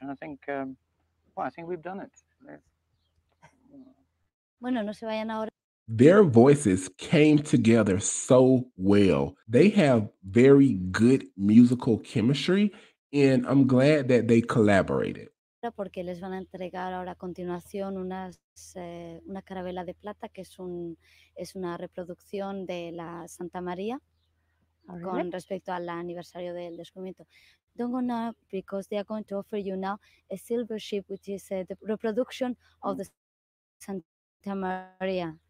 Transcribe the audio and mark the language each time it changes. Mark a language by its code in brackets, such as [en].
[en] And I think, I think we've done it. [es] Bueno, no se vayan ahora. [en] Their voices came together so well. They have very good musical chemistry, and I'm glad that they collaborated. [es] Porque les van a entregar ahora a continuación unas una carabela de plata que es un es una reproducción de la Santa María con respecto al aniversario del descubrimiento. [en] Don't go now because they are going to offer you now a silver ship, which is the reproduction of the Santa María.